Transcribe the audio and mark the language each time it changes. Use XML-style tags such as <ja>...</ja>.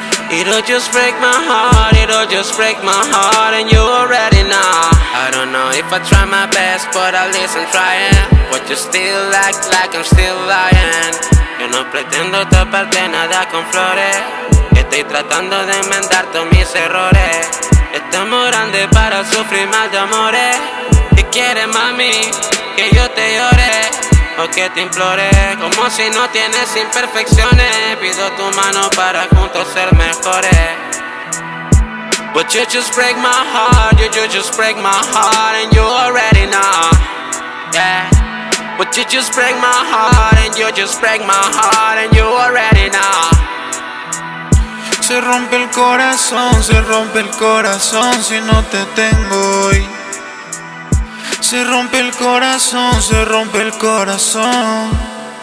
<en>It'll just break my heart, it'll just break my heart, and you already know. I don't know if I try my best, but at least I'm trying. But you still act like I'm still lying.</en> <es>Yo no pretendo taparte nada con flores. Estoy tratando de enmendar todos mis errores. Estamos grandes para sufrir mal de amores. ¿Qué quieres, mami? Que yo te llore. Que te implore, como si no tienes imperfecciones. Pido tu mano para juntos ser mejores.</es> <en>But you just break my heart, you just break my heart, and you already know. Yeah. But you just break my heart, and you just break my heart, and you already know.</en> <es>Se rompe el corazón, se rompe el corazón si no te tengo hoy. Se rompe el corazón, se rompe el corazón.</es>